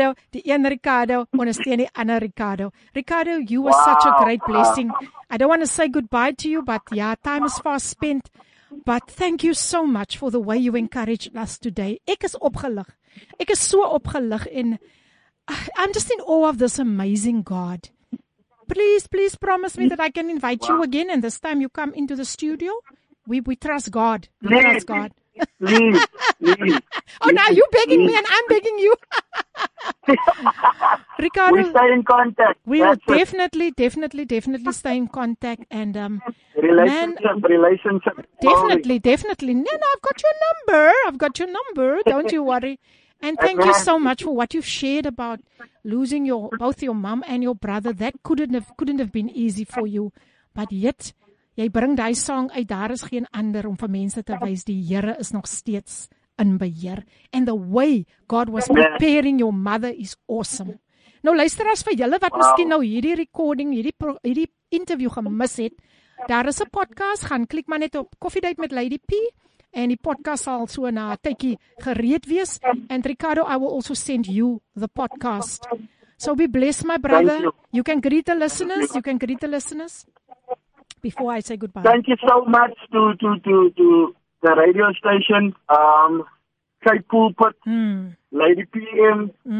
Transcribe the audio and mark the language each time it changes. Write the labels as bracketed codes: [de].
[af] Die een Ricardo, ondersteun die ander Ricardo. [en] Ricardo, you were such a great blessing. I don't want to say goodbye to you, but yeah, time is fast spent. But thank you so much for the way you encouraged us today. [af] Ek is opgelig. Ek is so opgelig en [en] I'm just in awe of this amazing God. Please promise me that I can invite you again and this time you come into the studio. We trust God. We trust God. Please. Oh, now you're begging me and I'm begging you. Ricardo, we stay in contact. We will definitely stay in contact. And relationship. Definitely. No, I've got your number. Don't you worry. And thank you so much for what you've shared about losing both your mom and your brother. That couldn't have been easy for you. But yet, [af] jy bring daai song uit, daar is geen ander om vir mense te wys, die Here is nog steeds in beheer. [en] And the way God was preparing your mother is awesome. [af] Nou luister as vir julle wat miskien nou hierdie recording, hierdie interview gemis het, daar is 'n podcast, gaan klik maar net op Coffee Date met Lady P en die podcast sal so na 'n tydjie gereed wees. [en] And Ricardo, I will also send you the podcast. So be blessed, my brother. You can greet the listeners. You can greet the listeners. Before I say goodbye. Thank you so much to the radio station, Kate Pulpit, Lady PM.